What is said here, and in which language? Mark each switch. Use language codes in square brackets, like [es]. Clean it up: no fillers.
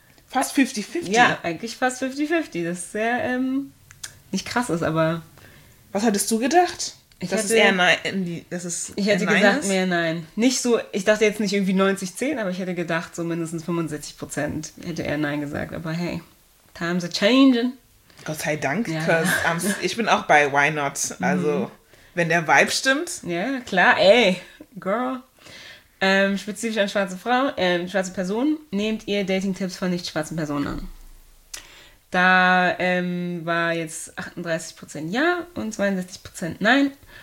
[de] Fast 50-50. Ja, eigentlich fast 50-50. Das ist sehr, nicht krass ist, aber... Was hattest du gedacht? Ich hätte gesagt, mehr Nein. Nicht so, ich dachte jetzt nicht irgendwie 90-10, aber ich hätte gedacht, so mindestens 65% hätte eher Nein gesagt. [en] Aber hey, times are changing. [de] Gott sei Dank, ich bin auch bei [en] Why Not. [de] Also, wenn der Vibe stimmt. Ja, klar, ey, girl. Spezifisch an schwarze Frau, schwarze Person, nehmt ihr Dating-Tipps von nicht-schwarzen Personen an? Da war jetzt 38% Ja und 62% Nein.